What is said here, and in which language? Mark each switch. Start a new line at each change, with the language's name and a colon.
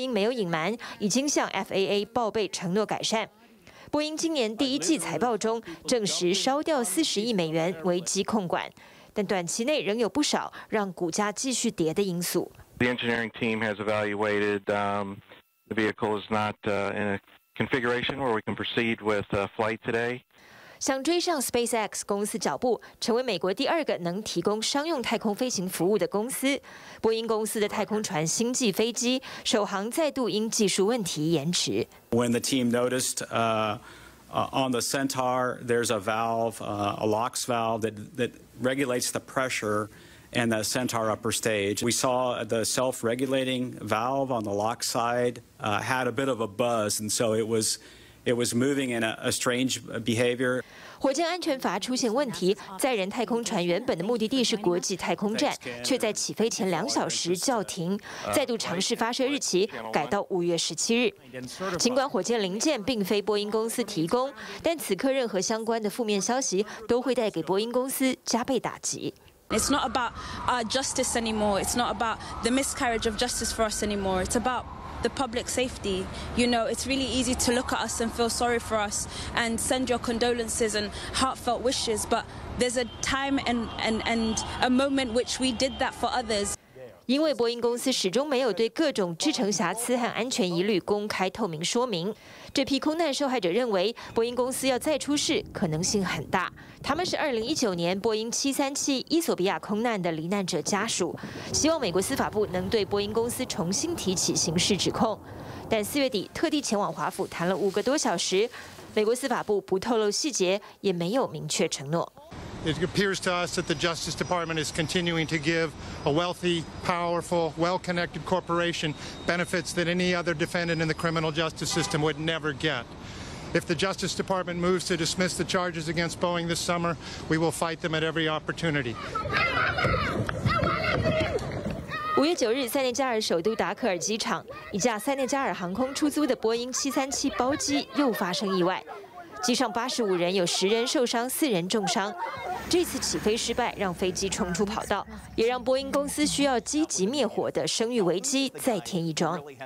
Chinese: 5月7日，路透社就报道，波音787梦幻客机的安检过程中，有员工举报机翼与机身连接处的粘合没有落实检查，工作记录是伪造的。这次波音没有隐瞒，已经向 FAA 报备承诺改善。波音今年第一季财报中证实烧掉40亿美元危机控管，但短期内仍有不少让股价继续跌的因素。
English: The engineering team has evaluated the vehicle is not in a configuration where we can proceed with flight today.
Chinese: 想追上 SpaceX 公司脚步，成为美国第二个能提供商用太空飞行服务的公司，波音公司的太空船星际飞机首航再度因技术问题延迟。
English: When the team noticed On the Centaur, there's a valve, a LOX valve that regulates the pressure in the Centaur upper stage. We saw the self-regulating valve on the LOX side had a bit of a buzz, and so it was moving in a strange behavior.
Chinese: 火箭安全阀出现问题，载人太空船原本的目的地是国际太空站，却在起飞前两小时叫停，再度尝试发射日期改到5月17日。尽管火箭零件并非波音公司提供，但此刻任何相关的负面消息都会带给波音公司加倍打击。
English: It's not about justice anymore. It's not about the miscarriage of justice for us anymore. It's aboutThe public safety. You know, it's really easy to look at us and feel sorry for us and send your condolences and heartfelt wishes, but there's a time and a moment which we did that for others.
Chinese: 因为波音公司始终没有对各种制程瑕疵和安全疑虑公开透明说明，这批空难受害者认为波音公司要再出事可能性很大。他们是2019年波音737伊索比亚空难的罹难者家属，希望美国司法部能对波音公司重新提起刑事指控。但四月底特地前往华府谈了5个多小时，美国司法部不透露细节，也没有明确承诺。
English: It appears to us that the Justice Department is continuing to give a wealthy, powerful, well-connected corporation benefits that any other defendant in the criminal justice system would never get. If the Justice Department moves to dismiss the charges against Boeing this summer, we will fight them at every opportunity.
Chinese: 5月9日，塞内加尔首都达喀尔机场，一架塞内加尔航空出租的波音737包机又发生意外。机上85人，有10人受伤，4人重伤。这次起飞失败，让飞机冲出跑道，也让波音公司需要积极灭火的声誉危机再添一桩。